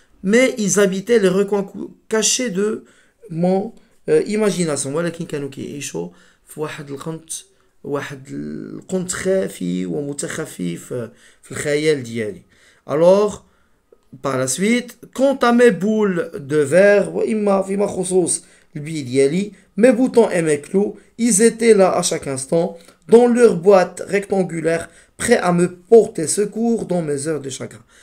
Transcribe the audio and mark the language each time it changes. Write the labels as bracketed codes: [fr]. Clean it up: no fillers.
[fr] Mais ils habitaient les recoins cachés de mon imagination. [ar] ولكن كانوا كيعيشوا في واحد القنت خافي ومتخفي في الخيال ديالي. [fr] Alors par la suite, quant à mes boules de verre [ar] وإما فيما خصوص البي ديالي, [fr] mes boutons et mes clous, ils étaient là à chaque instant dans leur boîte rectangulaire, prêt à me porter secours dans mes heures de chagrin.